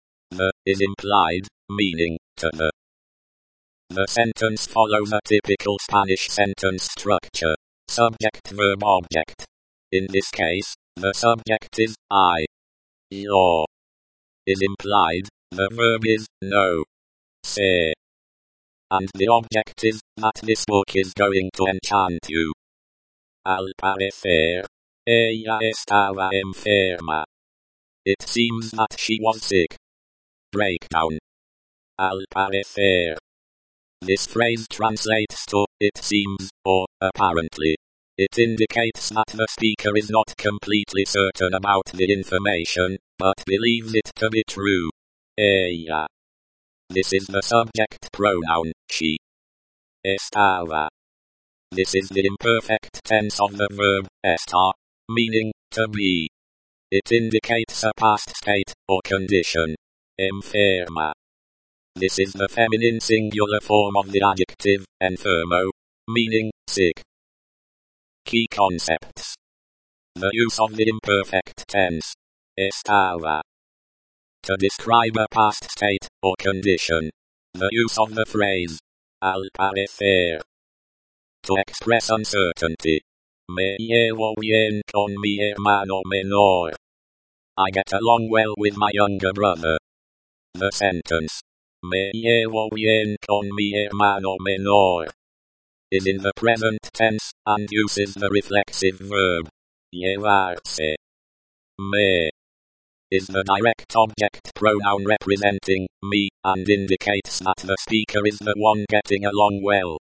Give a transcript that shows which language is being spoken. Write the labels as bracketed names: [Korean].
[English] The is implied, meaning to the. The sentence follows a typical Spanish sentence structure, subject-verb-object. In this case, the subject is I. Yo is implied, the verb is no. Se and the object is that this book is going to enchant you. [Spanish] Al parecer, ella estaba enferma. [English] It seems that she was sick. Breakdown. Al parecer. This phrase translates to, it seems, or, apparently. It indicates that the speaker is not completely certain about the information, but believes it to be true. Ella. This is the subject pronoun, she. Estaba. This is the imperfect tense of the verb, estar, meaning, to be. It indicates a past state, or condition. Enferma. This is the feminine singular form of the adjective, enfermo, meaning, sick. Key concepts. The use of the imperfect tense, estaba, to describe a past state, or condition. The use of the phrase, al parecer, to express uncertainty. [Spanish] Me llevo bien con mi hermano menor. [English] I get along well with my younger brother. The sentence. [Spanish] Me llevo bien con mi hermano menor [English] is in the present tense and uses the reflexive verb llevarse. Me is the direct object pronoun representing me and indicates that the speaker is the one getting along well.